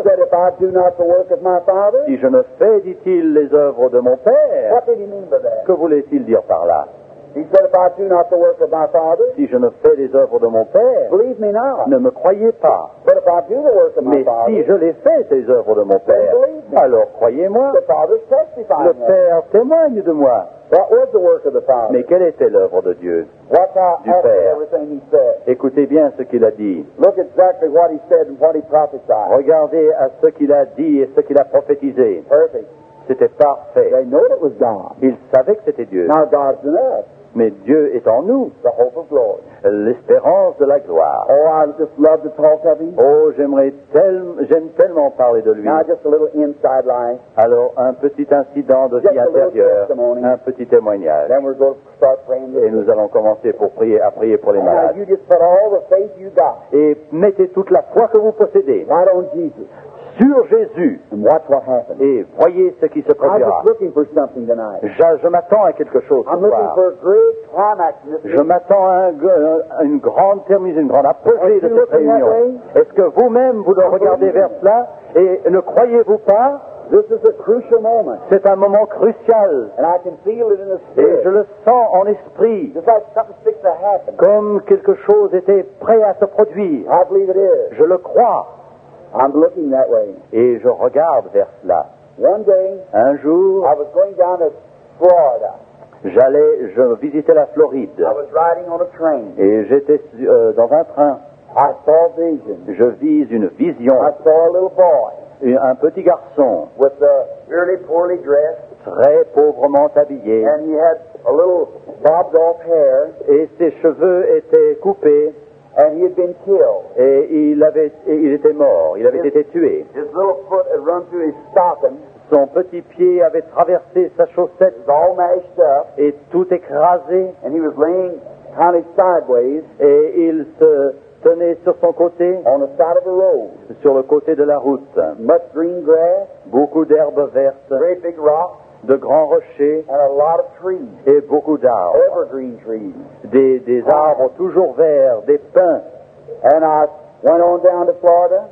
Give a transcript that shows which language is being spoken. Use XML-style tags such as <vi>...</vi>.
<en>He said, if I do not the work of my Father.</en> <fr>Si je ne fais, dit-il, les œuvres de mon Père.</fr> <en>What did he mean by that?</en> <fr>Que voulait-il dire par là?</fr> <en>He said, if I do not the work of my Father.</en> <fr>Si je ne fais les œuvres de mon Père.</fr> <en>Believe me not.</en> <fr>Ne me croyez pas.</fr> <en>But if I do the work of my</en> <fr>Mais</fr> <en>Father.</en> <fr>Mais si je les fais ces œuvres de mon Père.</fr> <en>Believe me.</en> <fr>Alors croyez-moi.</fr> <en>The Father testifies.</en> <fr>Le Père témoigne de moi.</fr> <en>What was the work of the Father?</en> <fr>Mais quelle était l'œuvre de Dieu?</fr> <en>Watch out,</en> <fr>du Père.</fr> <en>Everything he said.</en> <fr>Écoutez bien ce qu'il a dit.</fr> <en>Look exactly what he said and what he prophesied.</en> <fr>Regardez à ce qu'il a dit et ce qu'il a prophétisé.</fr> <en>Perfect.</en> <fr>C'était parfait.</fr> <en>They know it was God.</en> <fr>Ils savaient que c'était Dieu.</fr> <en>Now God's in us.</en> <fr>Mais Dieu est en nous.</fr> <en>The hope of glory.</en> <fr>L'espérance de la gloire.</fr> <en>Oh, I just love to talk of him.</en> <fr>Oh, j'aime tellement parler de lui.</fr> <en>Now, just a little inside life.</en> <fr>Alors, un petit incident de</fr> <en>just</en> <fr>vie intérieure. Un petit témoignage.</fr> <en>Then we're going to start praying</en> <fr>et nous allons commencer à prier pour les malades.</fr> <en>Now, you just put all the faith you got.</en> <fr>Et mettez toute la foi que vous possédez.</fr> <en>Right on Jesus.</en> <fr>Sur Jésus.</fr> <en>And watch what happens.</en> <fr>Et voyez ce qui se produira.</fr> <en>I'm looking for something tonight.</en> <fr>Je m'attends à quelque chose ce soir.</fr> <en>For a great climax.</en> <fr>Je m'attends à une grande terminus, une grande apogée de cette réunion. Est-ce que vous-même, vous le regardez vers cela et ne croyez-vous pas?</fr> <en>This is a crucial moment.</en> <fr>C'est un moment crucial.</fr> <en>And I can feel it in the spirit.</en> <fr>Et je le sens en esprit.</fr> <en>Just like something's fixed to happen.</en> <fr>Comme quelque chose était prêt à se produire.</fr> <en>I believe it is.</en> <fr>Je le crois.</fr> <en>I'm looking that way.</en> <fr>Et je regarde vers cela.</fr> <en>One day,</en> <fr>un jour,</fr> <en>I was going down to Florida.</en> <fr>Je visitais la Floride.</fr> <en>I was riding on a train.</en> <fr>Et j'étais dans un train.</fr> <en>I saw a vision.</en> <fr>Je vis une vision.</fr> <en>I saw a little boy.</en> <fr>Un petit garçon.</fr> <en>With a really poorly dressed.</en> <fr>Très pauvrement habillé.</fr> <en>And he had a little bobbed off hair.</en> <fr>Et ses cheveux étaient coupés.</fr> <en>And he had been killed.</en> <fr>Et il était mort. Il avait été tué.</fr> <en>His little foot had run through his stocking.</en> <fr>Son petit pied avait traversé sa chaussette.</fr> <en>It was all mashed up.</en> <fr>Et tout écrasé.</fr> <en>And he was laying kind of sideways.</en> <fr>Et il se tenait sur son côté.</fr> <en>On the side of the road.</en> <fr>Sur le côté de la route.</fr> <en>Much green grass.</en> <fr>Beaucoup d'herbes vertes.</fr> <en>Great big rocks.</en> <fr>De grands rochers.</fr> <en>And a lot of trees.</en> <fr>Et beaucoup d'arbres.</fr> <en>Evergreen trees.</en> <fr>Des arbres toujours verts, des pins.</fr> <en>And I went on down to Florida.</en>